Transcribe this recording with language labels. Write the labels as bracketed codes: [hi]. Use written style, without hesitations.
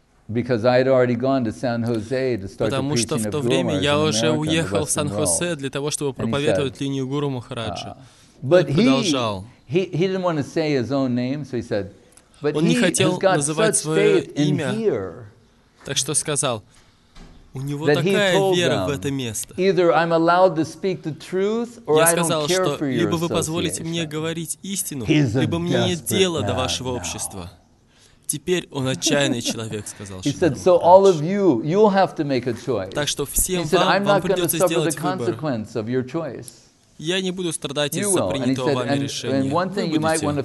[en] Because I had already gone to San Jose to start [ru] Потому что в то время я уже уехал в Сан-Хосе для того, чтобы проповедовать линию Гуру Махараджа. [en] But he didn't want to say his own name, so he said. But [ru] он не хотел называть свое имя. Так что сказал. У него такая вера в это место. [en] Either I'm allowed to speak the truth, or I don't care for your association. [ru] Либо вы позволите мне говорить истину, либо мне нет дела до вашего общества. Теперь он отчаянный человек, сказал Шиндру. Так что всем вам придется сделать выбор. Я не буду страдать из-за принятого вами решения. Вы будете.